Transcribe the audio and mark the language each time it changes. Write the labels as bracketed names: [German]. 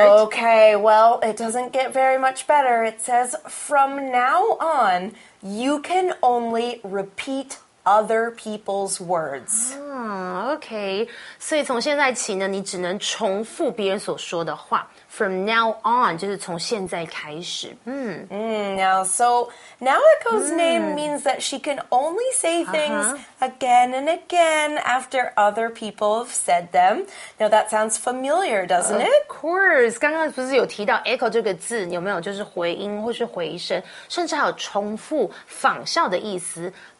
[English] Okay, well, it doesn't get very much better. It says, from now on, you can only repeat other people's words. Okay. [Chinese] 所以从现在起呢，你只能重复别人所说的话。 [English] From now on, [Chinese] 就是从现在开始。 [English] Now Echo's name means that she can only say things again and again after other people have said them. Now that sounds familiar, doesn't it? Of course. [Chinese] 刚刚不是有提到 Echo 这个字，有没有就是回音或是回声，甚至还有重复、仿效的意思。